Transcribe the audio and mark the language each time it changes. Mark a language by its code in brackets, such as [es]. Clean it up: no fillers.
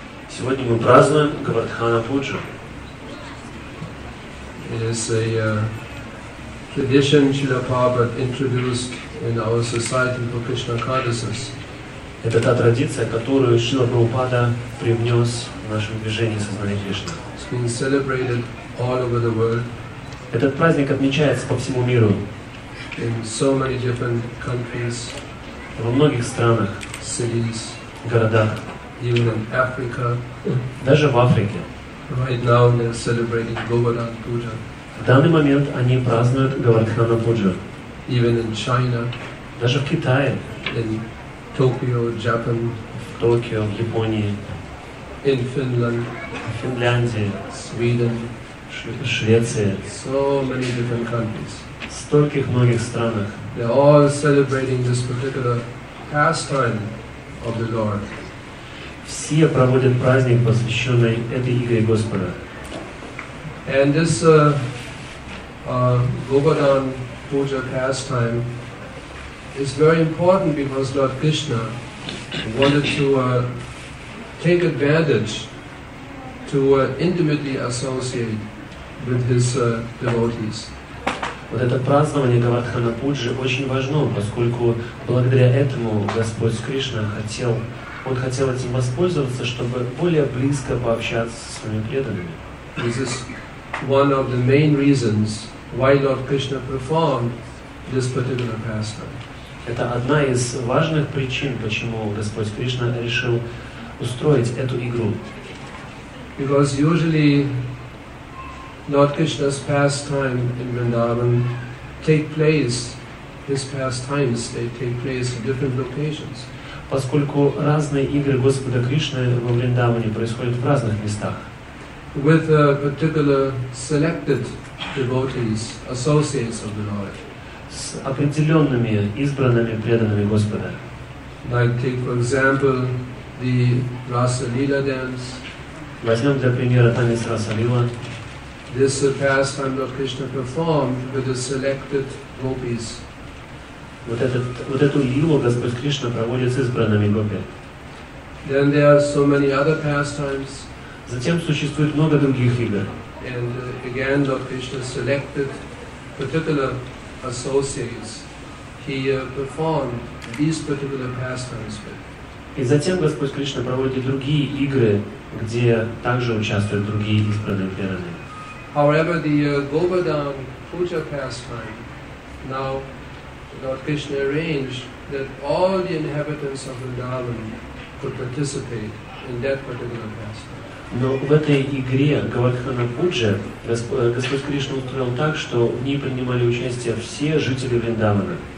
[ru] Сегодня мы празднуем Говардхана Пуджу. [en] It is a tradition Srila Prabhupada introduced in our society for Krishna consciousness. [ru] Это та традиция, которую Шрила Прабхупада привнес в наше движение сознания Кришны. [en] It's been celebrated all over the world. [ru] Этот праздник отмечается по всему миру. [en] In so many different countries. [ru] Во многих странах, [en] cities, [ru] городах, [en] even in Africa, [ru] даже в Африке. [en] Right now they are celebrating Govardhan Puja. [ru] В данный момент они празднуют Говардхана Пуджу. [en] Even in China, [ru] даже в Китае, [en] in Tokyo, Japan, [ru] в Токио, в Японии, [en] in Finland, [ru] в Финляндии, [en] Sweden, [ru] Швеция, [en] so many different countries. [ru] В стольких многих странах. [en] They are all celebrating this particular pastime of the Lord. [ru] Все проводят праздник, посвященный этой игре Господа. [en] And this Govardhan Puja pastime is very important because Lord Krishna wanted to take advantage to intimately associate with his devotees. [ru] Вот это празднование Говардхана Пуджи очень важно, поскольку благодаря этому Господь Кришна хотел, Он хотел этим воспользоваться, чтобы более близко пообщаться со своими преданными. [en] This is one of the main reasons why Lord Krishna performed this particular pastime. [ru] Это одна из важных причин, почему Господь Кришна решил устроить эту игру. [en] Because usually Lord Krishna's pastime in Vrindavan take place, his pastimes, they take place in different locations. [ru] Поскольку разные игры Господа Кришны во Вриндаване происходят в разных местах. [en] With particular selected devotees, associates of the Lord. [ru] С определенными избранными преданными Господа. [en] Like take for example the Rasa Lila dance. [ru] Возьмем для примера танец Раса Лила. [en] This pastime Lord Krishna performed with the selected gopis. [ru] Вот эту лилу Господь Кришна проводит с избранными гопи. [en] Then there are so many other pastimes. [ru] Затем существует много других игр. [en] And again, Lord Krishna selected particular associates. He performed these particular pastimes with. [ru] И затем Господь Кришна проводит другие игры, где также участвуют другие избранные преданные. [en] However, the Govardhan Puja pastime, now Lord Krishna arranged that all the inhabitants of Vrindavan could participate in that particular pastime. [ru] Но в этой игре Говардхана Пуджа Господь Кришна устроил так, что в ней принимали участие все жители Вриндавана.